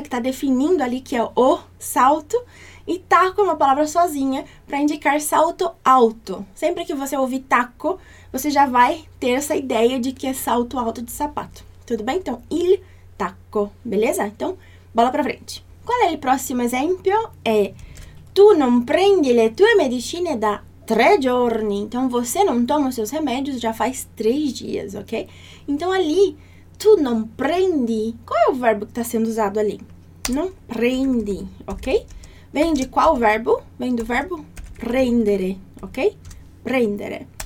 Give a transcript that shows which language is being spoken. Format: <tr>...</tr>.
<pt>Que está definindo ali que é o salto. E tacco é uma palavra sozinha para indicar salto alto. Sempre que você ouvir tacco, você já vai ter essa ideia de que é salto alto de sapato. Tudo bem? Então, il tacco, beleza? Então, bola para frente. Qual é o próximo exemplo?</pt> <it>É: Tu non prendi le tue medicine da 3 giorni.</it> <pt>Então, você não toma os seus remédios já faz 3 dias, ok? Então, ali, tu non prendi. Qual é o verbo que está sendo usado ali? Non prendi, ok? Vem de qual verbo? Vem do verbo prendere, ok? Prendere.</pt>